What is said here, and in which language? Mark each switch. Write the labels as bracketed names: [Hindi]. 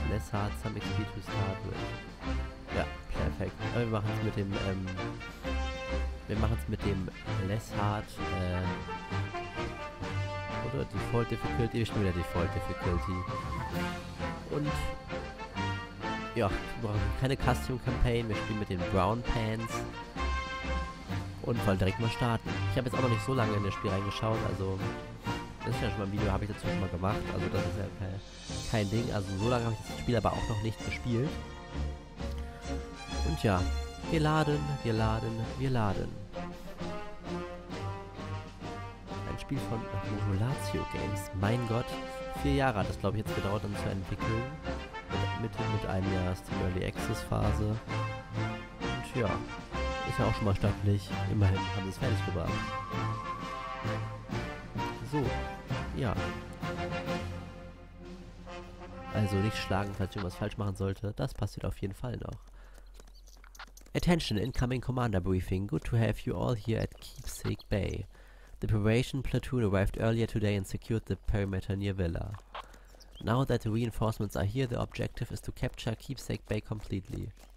[English] Lesshard, some XP to start with. [German] Ja, perfekt. Aber wir machen es mit dem, Lesshard, oder Default Difficulty. Wir spielen wieder Default Difficulty. Und ja, wir brauchen keine Custom-Campaign, wir spielen mit den Brown Pants und wollen direkt mal starten. Ich habe jetzt auch noch nicht so lange in das Spiel reingeschaut, also das ist ja schon mal ein Video, habe ich dazu schon mal gemacht, also das ist ja kein Ding, also so lange habe ich das Spiel aber auch noch nicht gespielt. Und ja, wir laden. Ein Spiel von Modulatio Games, mein Gott, 4 Jahre hat das, glaube ich, jetzt gedauert, um zu entwickeln. Mit einem Jahr ist die Early Access Phase. Und ja, ist ja auch schon mal stattlich. Immerhin haben sie es fertig gebracht. So, ja. Also nicht schlagen, falls ich irgendwas falsch machen sollte. Das passiert auf jeden Fall noch. [English] Attention, incoming commander briefing. Good to have you all here at Keepsake Bay. The Preparation Platoon arrived earlier today and secured the perimeter near Villa. Now that the reinforcements are here, the objective is to capture Keepsake Bay completely.